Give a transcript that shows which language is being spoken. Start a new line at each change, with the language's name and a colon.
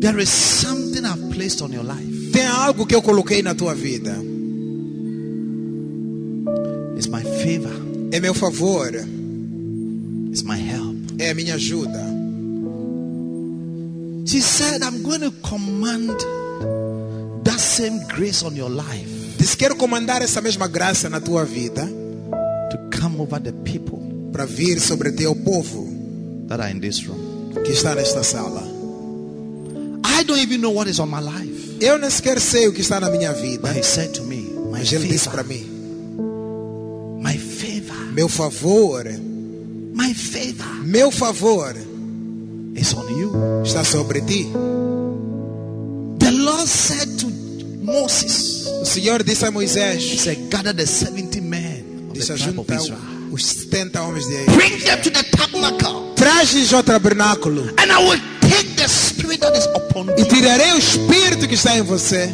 English: there is something I've placed on your life.
Portuguese: Tem algo que eu coloquei na tua vida.
English: It's my favor.
Portuguese: É meu favor.
English: It's my help.
Portuguese: É a minha ajuda.
English: She said, I'm going to command that same grace on your life.
Portuguese: Diz, quero comandar essa mesma graça na tua vida.
English: To come over the people.
Portuguese: Para vir sobre teu povo.
English: That are in this room.
Portuguese: Que está nesta sala.
English: I don't even know what is on my life.
Portuguese: Eu nem sequer sei o que está na minha vida.
English: But he said to me, my
Portuguese: Mas ele disse para mim.
English: My favor.
Portuguese: Meu favor.
English: My favor.
Portuguese: Meu favor.
English: It's on you.
Portuguese: Está sobre ti.
English: The Lord said to Moses.
Portuguese: O Senhor disse a Moisés.
English: He said, gather the 70 men of the tribe of Israel.
Portuguese: Os 70 homens de Israel.
English: Bring them to the tabernacle.
Portuguese: Traze-os ao tabernáculo.
English: And I will take the spirit that is upon you.
Portuguese: E tirarei o espírito que está em você.